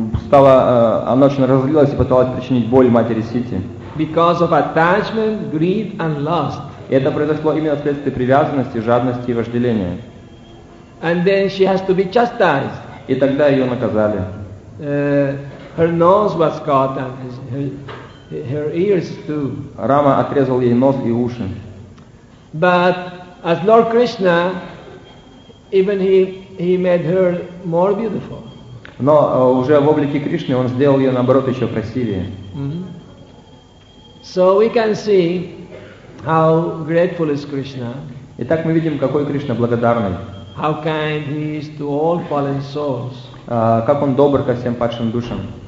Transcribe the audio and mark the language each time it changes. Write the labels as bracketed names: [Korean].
[Russian] Она очень разозлилась и пыталась причинить боль матери Сити. [English] Because of attachment, greed and lust. [Russian] И это произошло именно вследствие привязанности, жадности и вожделения. [English] And then she has to be chastised. [Russian] И тогда ее наказали. [English] Her nose was cut and her ears too. [Russian] Рама отрезал ей нос и уши. [English] But as Lord Krishna, even he made her more beautiful. [Russian] Но уже в облике Кришны он сделал ее наоборот еще красивее. Mm-hmm. [English] So we can see how grateful is Krishna. [Russian] Итак, мы видим, какой Кришна благодарный. [English] How kind he is to all fallen souls. [Russian] Как он добр ко всем падшим душам.